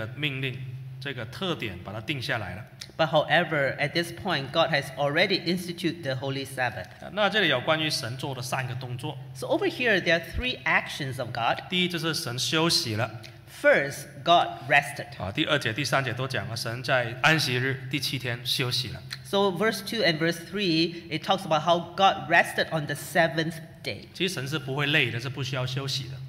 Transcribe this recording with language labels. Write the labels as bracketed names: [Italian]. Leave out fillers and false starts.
[Chinese] 这一条安息日这个命令这个特点把它定下来了。 [English] But however, at this point, God has already instituted the Holy Sabbath. [Chinese] 那这里有关于神做的三个动作。 [English] So over here, there are three actions of God. [Chinese] 第一就是神休息了。 [English] First, God rested. [Chinese] 第二节、第三节都讲了，神在安息日第七天休息了。 [English] So verse 2 and verse 3, it talks about how God rested on the seventh day. [Chinese] 其实神是不会累的，是不需要休息的。